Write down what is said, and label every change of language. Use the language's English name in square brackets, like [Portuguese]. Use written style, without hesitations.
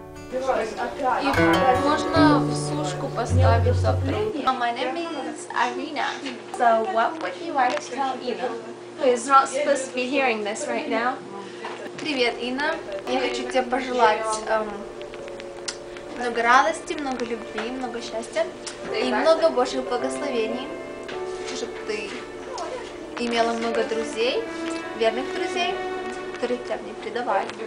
[Russian] И можно в сушку поставить завтра. [English] My name is Irina. So what would you like to tell Ina? Who is not supposed to be hearing this right now? [Russian] Привет, Ина. Я хочу тебе пожелать много радости, много любви, много счастья и много Божьих благословений. Чтоб ты имела много друзей, верных друзей, которые тебя не предавали.